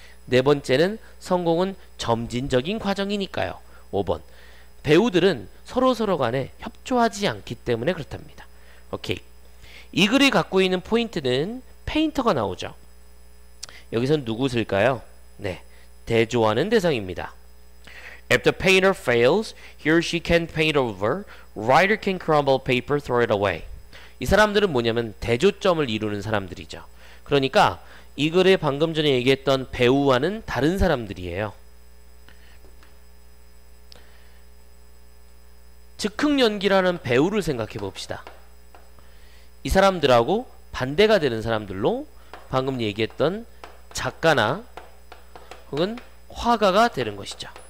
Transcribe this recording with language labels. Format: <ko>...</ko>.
<ko>네 번째는 성공은 점진적인 과정이니까요. 5번. 배우들은 서로서로 간에 협조하지 않기 때문에 그렇답니다. 오케이. 이 글이 갖고 있는 포인트는 페인터가 나오죠. 여기선 누구일까요? 네. 대조하는 대상입니다.</ko> <en>If the painter fails, he or she can paint over. Writer can crumble paper, throw it away.</en> <ko>이 사람들은 뭐냐면 대조점을 이루는 사람들이죠. 그러니까 이 글에 방금 전에 얘기했던 배우와는 다른 사람들이에요. 즉흥 연기라는 배우를 생각해 봅시다. 이 사람들하고 반대가 되는 사람들로 방금 얘기했던 작가나 혹은 화가가 되는 것이죠.</ko>